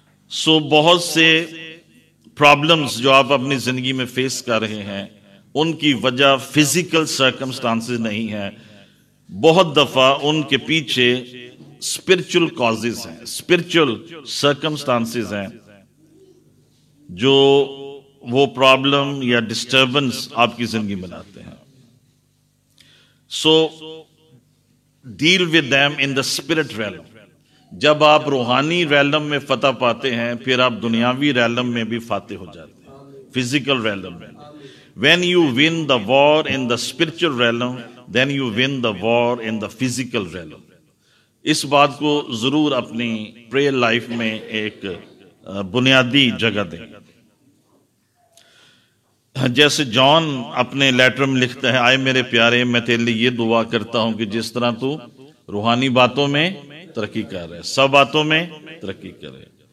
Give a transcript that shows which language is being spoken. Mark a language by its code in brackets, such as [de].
[ur] سو بہت سے پرابلمز جو آپ اپنی زندگی میں فیس کر رہے ہیں ان کی وجہ فزیکل سرکمسٹانسز نہیں ہے, بہت دفعہ ان کے پیچھے اسپرچل کازز ہیں, اسپرچل سرکمسٹانسز ہیں جو وہ پرابلم یا ڈسٹربنس آپ کی زندگی میں لاتے ہیں. [en] So deal with them in the spirit realm. [ur] جب آپ روحانی ریلم میں فتح پاتے ہیں پھر آپ دنیاوی ریلم میں بھی فاتح ہو جاتے ہیں, فزیکل ریلم میں. [en] When you win the war in the spiritual realm then you win the war in the physical realm. [ur] اس بات کو ضرور اپنی پریئر لائف میں ایک بنیادی جگہ دیں. جیسے جان اپنے لیٹر میں لکھتا ہے, آئے میرے پیارے میں تیرے لیے یہ دعا کرتا ہوں کہ جس طرح تو روحانی باتوں میں ترقی کر رہے, سب باتوں میں ترقی کر رہے.